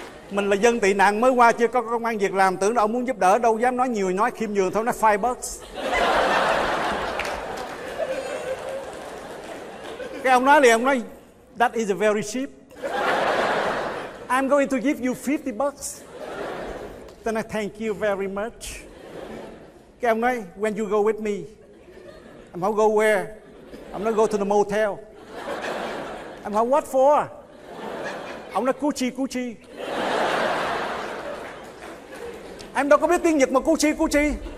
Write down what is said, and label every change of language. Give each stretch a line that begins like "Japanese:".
Vietnamese: Mình là dân tị nạn mới qua chưa có công ăn việc làm, tưởng là ông muốn giúp đỡ, đâu dám nói nhiều, nói khiêm nhường thôi, nó $5. Cái ông nói liền, ông nói
English: that is a very cheap, I'm going to give you $50. Then I thank you very much.
Vietnamese: Cái ông nói
English: when you go with me, I'm not go where, I'm not go to the motel, I'm not what for.
Vietnamese: Ông nói Gucci. Em đâu có biết tiếng Nhật mà Gucci.